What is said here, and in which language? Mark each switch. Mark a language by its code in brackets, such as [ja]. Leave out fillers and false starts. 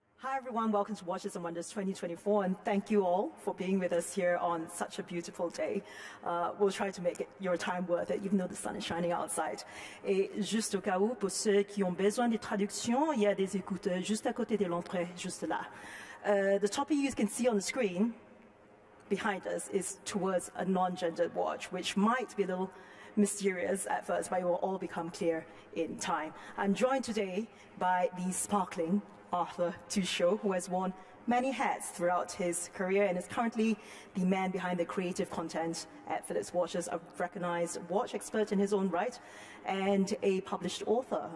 [en] Hi everyone, welcome to Watches and Wonders 2024, and thank you all for being with us here on such a beautiful day. We'll try to make it your time worth it, even though the sun is shining outside. [fr] Et juste au cas où, pour ceux qui ont besoin de traduction, il y a des écouteurs juste à côté de l'entrée, juste là. [en] The topic you can see on the screen behind us is towards a non-gendered watch, which might be a little mysterious at first, but it will all become clear in time. I'm joined today by the sparkling Arthur Touchot, who has worn many hats throughout his career and is currently the man behind the creative content at Phillips Watches, a recognized watch expert in his own right, and a published author.